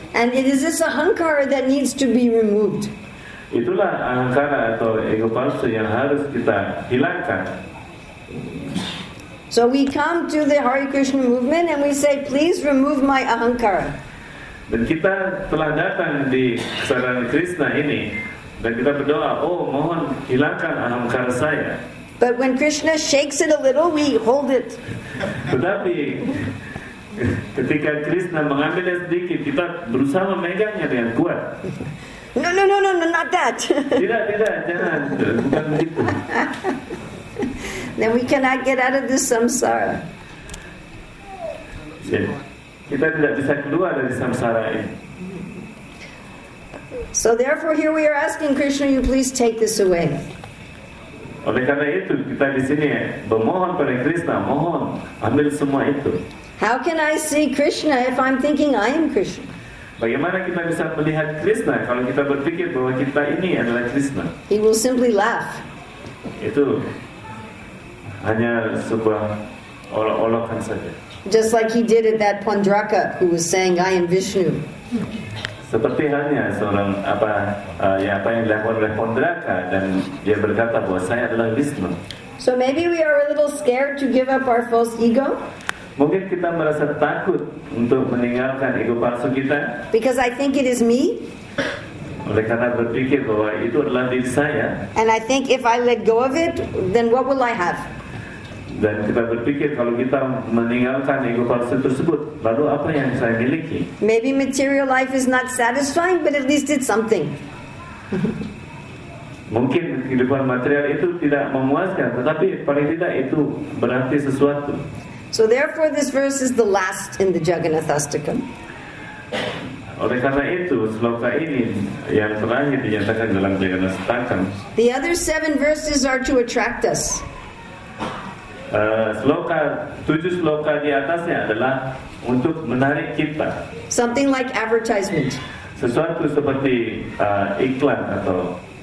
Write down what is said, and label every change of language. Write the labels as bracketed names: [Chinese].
[English] And it is this ahankara that needs to be removed. [Indonesian] Itulah ahankara atau ego palsu yang harus kita hilangkan. [English] So we come to the Hare Krishna movement and we say, please remove my ahankara. [Indonesian] Dan kita telah datang di saran Krishna ini dan kita berdoa, oh mohon hilangkan ahankara saya. [English] But when Krishna shakes it a little, we hold it. [Indonesian] Tetapi ketika Krishna mengambilnya sedikit, kita berusaha memegangnya dengan kuat. [English] No, not that. [Indonesian] Tidak, jangan. Bukan begitu. [English] Then we cannot get out of this samsara. [Indonesian] Kita tidak bisa keluar dari samsara ini. [English] So therefore, here we are asking Krishna, you please take this away. [Indonesian] Oleh karena itu, kita di sini bermohon pada Krishna, mohon ambil semua itu. [English] How can I see Krishna if I'm thinking I am Krishna? [Indonesian] Bagaimana kita bisa melihat Krishna kalau kita berpikir bahwa kita ini adalah Krishna? [English] He will simply laugh. [Indonesian] Itu hanya sebuah olok-olokan saja. [English] Just like he did at that Pandraka who was saying, I am Vishnu. [Indonesian] Seperti halnya seorang apa yang dilakukan oleh Pandraka dan dia berkata bahwa saya adalah Vishnu. [English] So maybe we are a little scared to give up our false ego. [Indonesian] Mungkin kita merasa takut untuk meninggalkan ego palsu kita. [English] Because I think it is me. [Indonesian] Oleh karena berpikir bahwa itu adalah diri saya. [English] And I think if I let go of it, then what will I have? [Indonesian] Dan kita berpikir kalau kita meninggalkan ego palsu tersebut, lalu apa yang saya miliki? [English] Maybe material life is not satisfying, but at least it's something. [Indonesian] Mungkin kehidupan material itu tidak memuaskan, tetapi paling tidak itu berarti sesuatu. [English] So therefore, this verse is the last in the Jagannath Astakam. [Indonesian] Oleh karena itu, sloka ini yang terakhir dinyatakan dalam Jagannath Astakam. [English] The other seven verses are to attract us. [Indonesian] Sloka, tujuh sloka di atasnya adalah untuk menarik kita. [English] Something like advertisement. [Indonesian] Sesuatu seperti iklan atau.